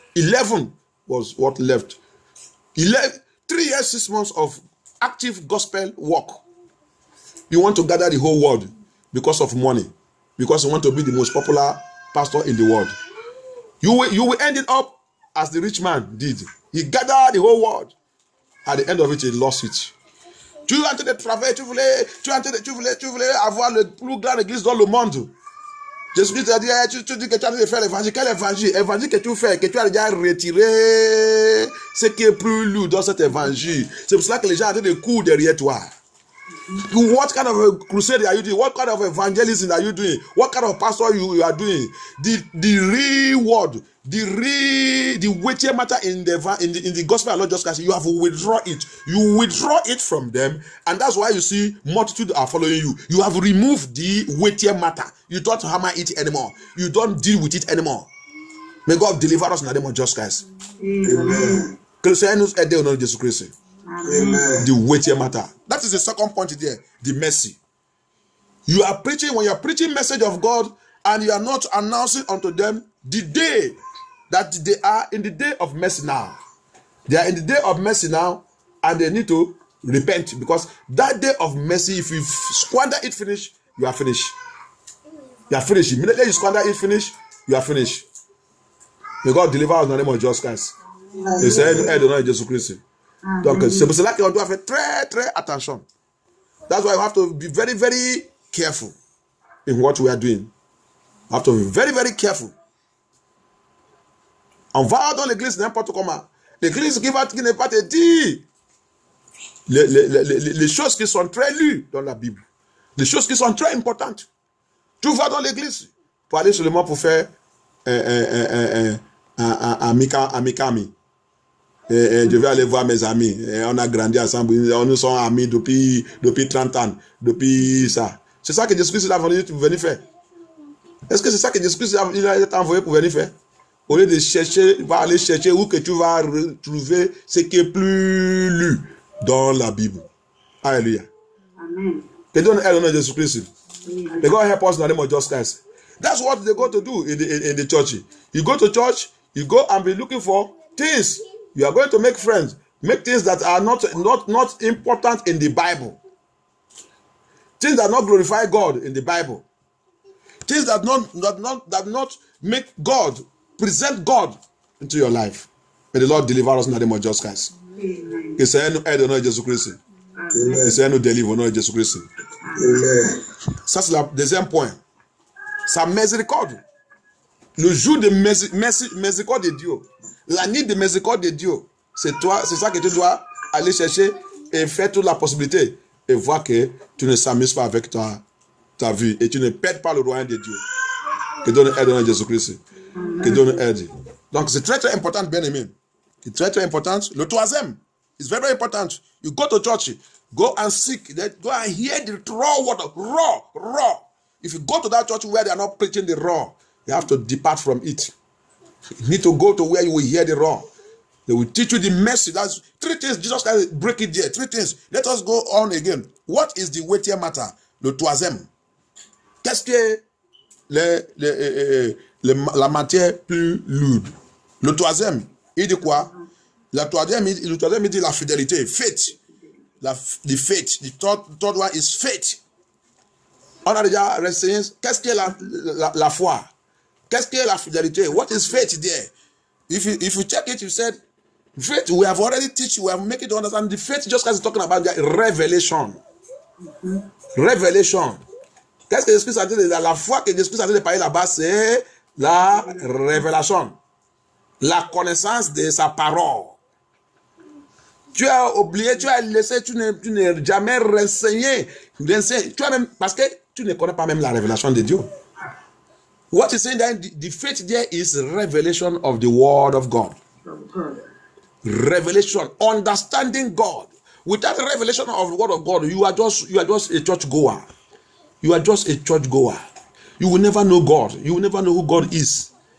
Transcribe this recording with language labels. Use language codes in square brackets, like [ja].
[en] 11 was what left. 3 years, 6 months of active gospel work. You want to gather the whole world because of money, because you want to be the most popular pastor in the world. You will end it up as the rich man did. He gathered the whole world. At the end of it, he lost it. [fr] Tu es en train de travailler, tu voulais avoir le plus grand église dans le monde. Jésus t'a dit, tu dis que tu as envie de faire l'évangile. Quel évangile? Évangile que tu fais, que tu as déjà retiré ce qui est plus lourd dans cet évangile. C'est pour cela que les gens sont en train de courir derrière toi. [en] What kind of a crusade are you doing? What kind of evangelism are you doing? What kind of pastor you are doing? The weightier matter in the gospel of Lord Jesus Christ, you have withdrawn it. You withdraw it from them, and that's why you see multitude are following you. You have removed the weightier matter. You don't hammer it anymore. You don't deal with it anymore. May God deliver us in the name of Jesus Christ. Amen. [fr] Que le Seigneur nous aide au nom de Jésus Christ. Amen. [en] The weightier matter. That is the second point there, the mercy. You are preaching, when you are preaching message of God, and you are not announcing unto them the day that they are in the day of mercy now. They are in the day of mercy now, and they need to repent, because that day of mercy, if you squander it finish, you are finished. You are finished. Immediately you squander it finish, you are finished. May God deliver us in the name of Jesus Christ. He said, "I don't know Jesus Christ." [fr] Donc, c'est pour cela qu'on doit faire très, très attention. [en] That's why we have to be very, very careful in what we are doing. We have to be very, very careful. [fr] On va dans l'église n'importe comment. L'église qui n'est pas te dit les choses qui sont très lues dans la Bible. Les choses qui sont très importantes. Tu vas dans l'église pour aller seulement pour faire un amikami. Et je vais aller voir mes amis. Et on a grandi ensemble. Nous sommes amis depuis 30 ans. Depuis ça. C'est ça que Jésus-Christ est venu faire. Est-ce que c'est ça que Jésus-Christ est envoyé pour venir faire? Au lieu de chercher, va aller chercher où que tu vas retrouver ce qui est plus lu dans la Bible. Alléluia. Amen. Que Dieu nous aide au nom de Jésus-Christ. [en] May God help us in the name of Jesus Christ. That's what they go to do in the church. You go to church, you go and be looking for things. You are going to make friends, make things that are not important in the Bible. Things that not glorify God in the Bible. Things that not make God, present God into your life. May the Lord deliver us in the name of Jesus Christ. Amen. He said, [fr] "Aide au nom de Jésus Christ." Amen. [en] He said, [fr] "Nous délivre au nom de Jésus Christ." Amen. Ça c'est le deuxième point. Sa miséricorde. Le jour de miséricorde de Dieu. La nuit de miséricorde de Dieu, c'est toi, c'est ça que tu dois aller chercher et faire toute la possibilité et voir que tu ne s'amuses pas avec ta vie et tu ne perds pas le royaume de Dieu. Que Dieu nous aide en Jésus-Christ. Que Dieu nous aide. Donc c'est très très important, bien aimé. C'est très très important. Le troisième, [en] It's very, very important. You go to church, go and seek, go and hear the raw word, raw, raw. If you go to that church where they are not preaching the raw, you have to depart from it. You need to go to where you will hear the raw. They will teach you the message. That's three things. Jesus can break it there. Three things. Let us go on again. What is the weightier matter? [fr] Le troisième. Qu'est-ce que la matière plus lourde? Le troisième, il dit quoi? Le troisième, il dit la fidélité. [en] Faith. The faith. The third one is faith. [fr] On a déjà renseigné. Qu'est-ce que la foi? Qu'est-ce que la fidélité? [en] What is faith there? If you check it, you said, faith, we have already teach you, we have made it understand. The faith, just as he's talking about the revelation. Mm-hmm. Revelation. [fr] Qu'est-ce que l'Esprit Saint dit? La foi que l'Esprit Saint dit de parler là-bas, c'est la révélation. La connaissance de sa parole. Tu as oublié, tu as laissé, tu n'es jamais renseigné. Tu as même, parce que tu ne connais pas même la révélation de Dieu. [en] What is saying that the faith there is revelation of the word of God. Revelation, understanding God. Without the revelation of the word of God, you are just a church goer. You are just a church goer. You will never know God. You will never know who God is.